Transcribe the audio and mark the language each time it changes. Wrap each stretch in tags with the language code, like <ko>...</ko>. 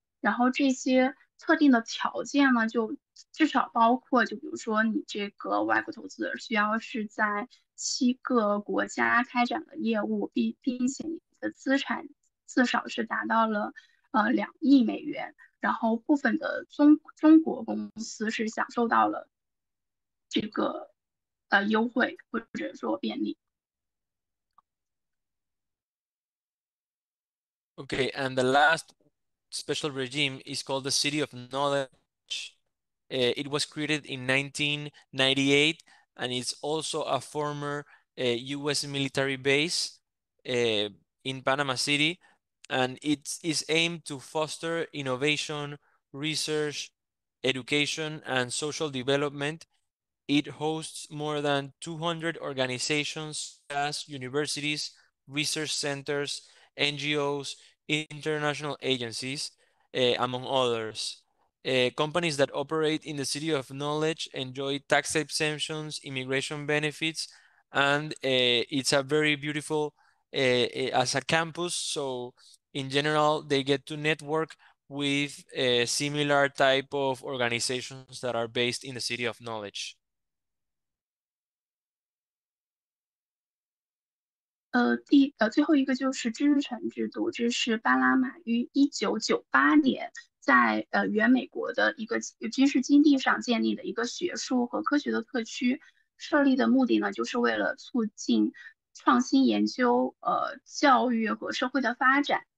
<zh>然后这些特定的条件呢，就至少包括，就比如说你这个外国投资者需要是在7个国家开展了业务，并且你的资产至少是达到了2亿美元，然后部分的中国公司是享受到了这个优惠或者说便利。</zh> <en>Okay, and the last special regime is called the City of Knowledge. It was created in 1998 and it's also a former US military base in Panama City. And it is aimed to foster innovation, research, education, and social development. It hosts more than 200 organizations, as universities, research centers, NGOs, international agencies, among others. Companies that operate in the City of Knowledge enjoy tax exemptions, immigration benefits, and it's a very beautiful as a campus. So in general, they get to network with a similar type of organizations that are based in the City of Knowledge.</en> <zh>最后一个就是知识产制度，这是巴拿马于1998年在原美国的一个军事基地上建立的一个学术和科学的特区，设立的目的呢，就是为了促进创新研究、教育和社会的发展。</zh>